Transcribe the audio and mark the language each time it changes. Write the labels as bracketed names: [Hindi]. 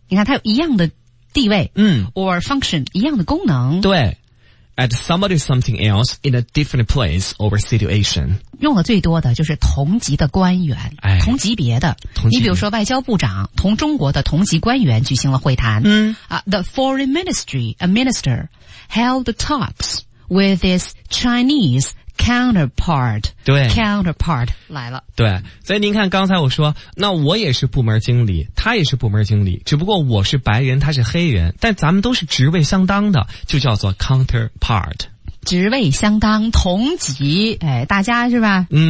[Chinese] 你看，它有一样的地位， [English] or function [Chinese] 一样的功能。对 [English] ，at somebody something else in a different place or situation。 [Chinese] 用的最多的就是同级的官员，哎、同级别的级别。你比如说，外交部长同中国的同级官员举行了会谈。 [English] The foreign ministry, a minister, held talks with his Chinese. counterpart， [Chinese] 对，counterpart 来了。对，所以您看，刚才我说，那我也是部门经理，他也是部门经理，只不过我是白人，他是黑人，但咱们都是职位相当的，就叫做 counterpart。职位相当，同级，哎，大家是吧？